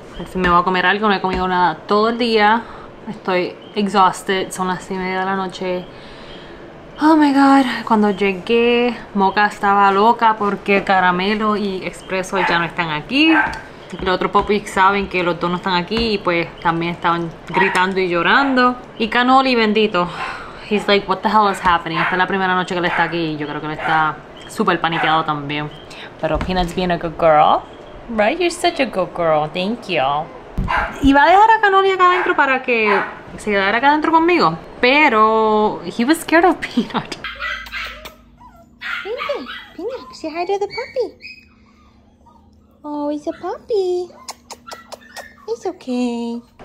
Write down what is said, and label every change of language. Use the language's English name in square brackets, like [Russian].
[Spanish] Si me voy a comer algo, no he comido nada todo el día. Estoy exhausted. Son las 7:30 de la noche. Oh my god. Cuando llegué, Mocha estaba loca porque Caramelo y Expreso ya no están aquí. Los otros popis saben que los dos no están aquí y pues también estaban gritando y llorando. [English] Y Canoli, bendito, he's like, what the hell is happening? [Spanish] Esta es la primera noche que él está aquí y yo creo que él está súper paniqueado también. [English] Pero Peanut's being a good girl. Right, you're such a good girl, thank you. [Spanish] Iba a dejar a Canoli acá adentro para que se quedara acá adentro conmigo. [English] Pero [Spanish] he was scared of Peanut. Peanut, say hi to the puppy. Oh, he's a puppy. It's okay.